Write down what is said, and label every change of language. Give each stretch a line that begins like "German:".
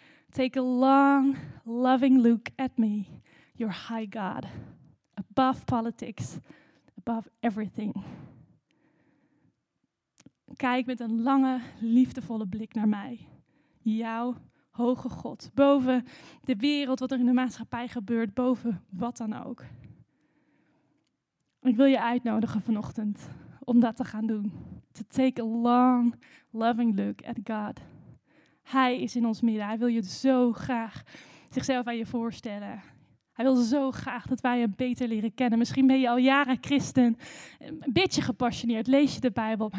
English: Take a long, loving look at me, your high God. Above politics, above everything.
Dutch: Kijk met een lange, liefdevolle blik naar mij. Jouw hoge God, boven de wereld, wat er in de maatschappij gebeurt, boven wat dan ook. Ik wil je uitnodigen vanochtend om dat te gaan doen.
English: To take a long, loving look at God.
Dutch: Hij is in ons midden. Hij wil je zo graag zichzelf aan je voorstellen. Hij wil zo graag dat wij hem beter leren kennen. Misschien ben je al jaren christen, een beetje gepassioneerd, lees je de Bijbel.